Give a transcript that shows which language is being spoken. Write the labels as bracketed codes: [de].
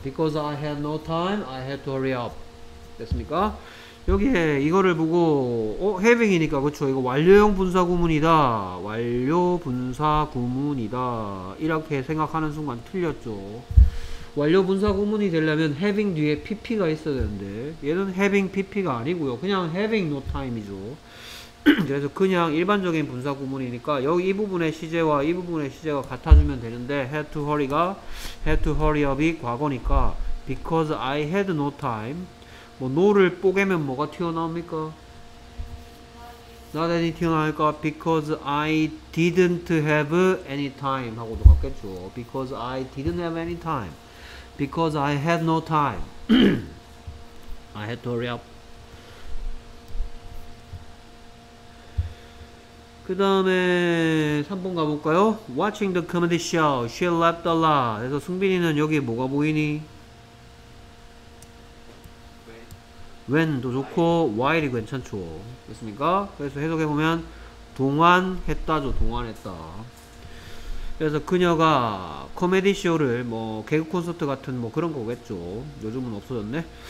[en] Because I had no time, I had to hurry up. [ko] 됐습니까? 여기에 이거를 보고 어? having이니까 그렇죠. 이거 완료형 분사구문이다. 완료 분사구문이다. 이렇게 생각하는 순간 틀렸죠. 완료 분사구문이 되려면 having 뒤에 pp가 있어야 되는데 얘는 having pp가 아니고요. 그냥 having no time이죠. 그래서 그냥 일반적인 분사구문이니까 여기 이 부분의 시제와 이 부분의 시제가 같아주면 되는데 had to hurry가 had to hurry up이 과거니까 [en] because I had no time. [ko] 뭐 no를 뽀개면 뭐가 튀어나옵니까? not any 튀어나옵니까? [en] because I didn't have any time [ko] 하고도 같겠죠. [en] because I didn't have any time, because I had no time, I had to hurry up. [ko] 그 다음에 3번 가볼까요? [en] Watching the comedy show, she laughed a lot. [ko] 그래서 승빈이는 여기에 뭐가 보이니? When도 좋고 while이 괜찮죠. 됐습니까? 그래서 해석해보면 동안했다죠. 동안했다. 그래서 그녀가 코미디 쇼를 뭐 개그 콘서트 같은 뭐 그런 거겠죠. 요즘은 없어졌네.